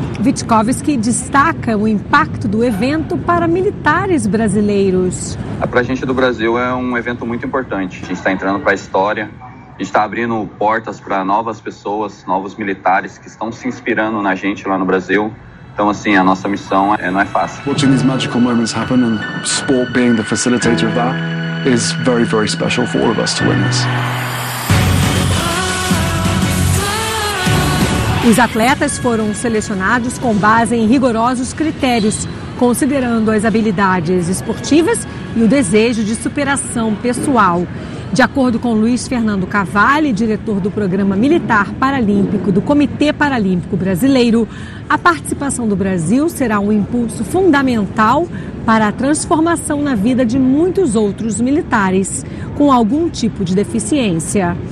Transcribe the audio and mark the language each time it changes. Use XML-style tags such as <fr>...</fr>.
<pt>Witkowski destaca o impacto do evento para militares brasileiros. Para a gente do Brasil é um evento muito importante. A gente está entrando para a história. A gente está abrindo portas para novas pessoas, novos militares que estão se inspirando na gente lá no Brasil. Então, assim, a nossa missão não é fácil.</pt> <en>Watching these magical moments happen and sport being the facilitator of that is very, very special for all of us to witness.</en> <pt>Os atletas foram selecionados com base em rigorosos critérios, considerando as habilidades esportivas e o desejo de superação pessoal. De acordo com Luiz Fernando Cavalli, diretor do Programa Militar Paralímpico do Comitê Paralímpico Brasileiro, a participação do Brasil será um impulso fundamental para a transformação na vida de muitos outros militares com algum tipo de deficiência.</pt>